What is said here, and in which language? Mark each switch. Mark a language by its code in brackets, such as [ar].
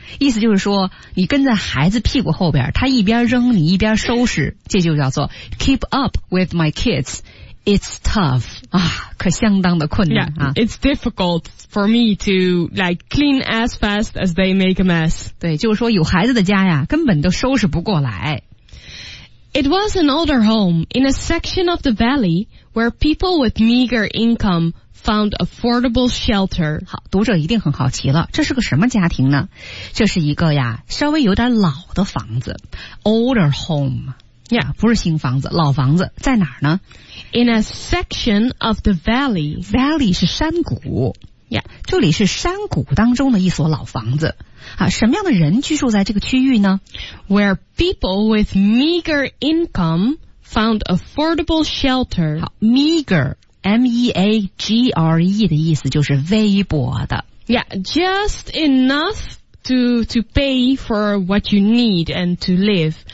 [zh] 意思就是说，你跟在孩子屁股后边，他一边扔你一边收拾，这就叫做 [en] keep up with my kids. It's tough. [zh] 啊，可相当的困难 [en] yeah, 啊。 It's difficult for me to like clean as fast as they make a mess. [zh] 对，就是说有孩子的家呀，根本都收拾不过来。 [en] It was an older home in a section of the valley where people with meager income found affordable shelter. [zh] 好，读者一定很好奇了，这是个什么家庭呢？这是一个呀，稍微有点老的房子 ， [en] older home. Yeah, [zh] 不是新房子，老房子在哪儿呢 [en] ？In a section of the valley. [zh] Valley 是山谷。 [en] Yeah, [zh] 这里是山谷当中的一所老房子。啊，什么样的人居住在这个区域呢 [en] ？Where people with meager income found affordable shelter. [zh] 好 ，meager, M-E-A-G-R-E 的意思就是微薄的。 [en] Yeah, just enough to pay for what you need and to live.